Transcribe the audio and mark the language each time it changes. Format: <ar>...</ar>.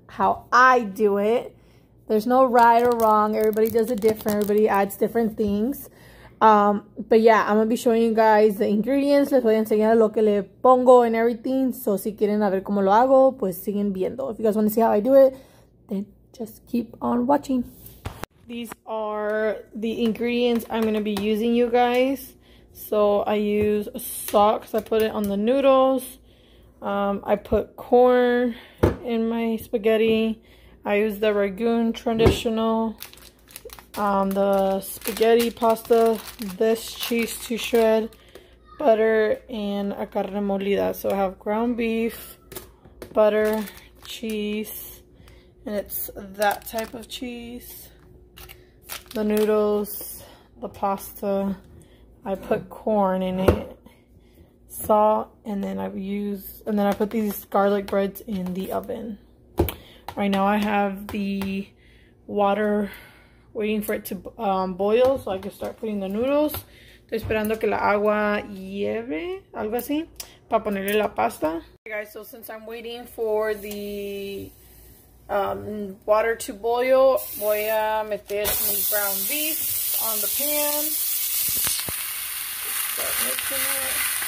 <en>How I do it. There's no right or wrong, everybody does it different, everybody adds different things. But yeah, I'm gonna be showing you guys the ingredients.</en> <es>Les voy a enseñar lo que le pongo</es> <en>and everything.</en> <es>So si quieren a ver cómo lo hago, pues siguen viendo.</es> <en>If you guys want to see how I do it, then just keep on watching. These are the ingredients I'm gonna be using, you guys. So I use salt because I put it on the noodles. I put corn in my spaghetti. I use the ragoon traditional. The spaghetti pasta, this cheese to shred, butter, and a</en> <es>carne molida.</es> <en>So I have ground beef, butter, cheese, and it's that type of cheese. The noodles, the pasta. I put corn in it, salt, and then I put these garlic breads in the oven. Right now I have the water waiting for it to boil so I can start putting the noodles.</en> <es>Estoy esperando que la agua hierva, algo así, para ponerle la pasta.</es> <en>Okay, guys, so since I'm waiting for the water to boil,</en> <es>voy a meter</es> <en>some ground beef on the pan. Just start mixing it.</en>